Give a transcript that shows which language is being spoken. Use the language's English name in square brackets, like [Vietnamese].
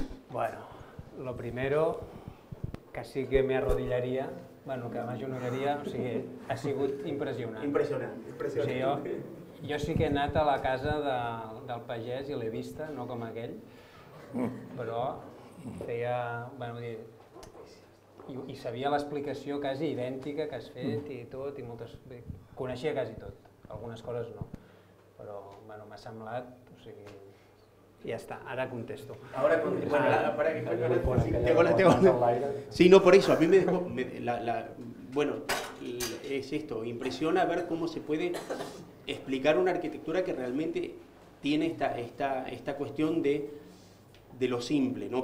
[Spanish] Bueno, lo primero, casi que me arrodillaría, bueno, que además yo no quería, [Catalan] o sigui, ha sigut impressionant. Impressionant. O sigui, jo sí que he anat a la casa del pagès i l'he vista, no com aquell, però feia, bueno, i sabia l'explicació quasi idèntica que has fet i tot, i moltes, bé, coneixia quasi tot, algunes coses no, però bueno, m'ha semblat, o sigui, [Spanish] Ya está, ahora contesto. Ahora contesto. Bueno, para que me tengo la. Sí, no, por eso, a mí me dejó. Bueno, es esto, impresiona ver cómo se puede explicar una arquitectura que realmente tiene esta cuestión de lo simple, ¿no?